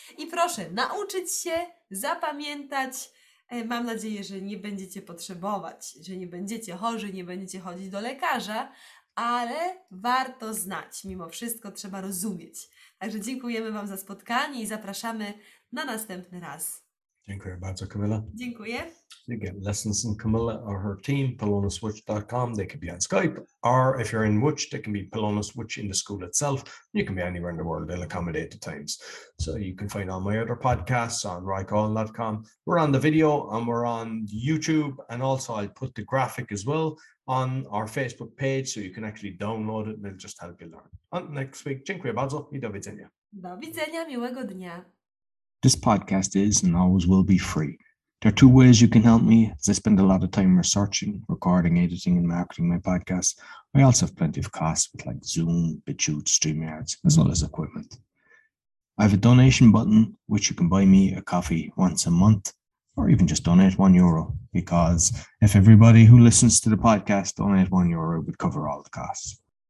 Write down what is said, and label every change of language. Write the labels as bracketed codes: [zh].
[pl] I proszę nauczyć się, zapamiętać. Mam nadzieję, że nie będziecie potrzebować, że nie będziecie chorzy, nie będziecie chodzić do lekarza, ale warto znać. Mimo wszystko trzeba rozumieć. Także dziękujemy Wam za spotkanie i zapraszamy na następny raz. Dziękuję bardzo, Kamila. Dziękuję. [en] You get lessons from Kamila or her team, polonaswitch.com. They can be on Skype, or if you're in Witch, they can be polonaswitch in the school itself. You can be anywhere in the world. They'll accommodate the times. So you can find all my other podcasts on rycon.com. We're on the video and we're on YouTube. And also I'll put the graphic as well on our Facebook page so you can actually download it and it'll just help you learn. Until next week. [pl] Dziękuję bardzo i do widzenia. Do widzenia, miłego dnia. [en] This podcast is and always will be free. There are two ways you can help me, as I spend a lot of time researching, recording, editing, and marketing my podcasts. I also have plenty of costs with like Zoom, BitChute, StreamYard, as well as equipment. I have a donation button, which you can buy me a coffee once a month, or even just donate €1, because if everybody who listens to the podcast donate €1, it would cover all the costs.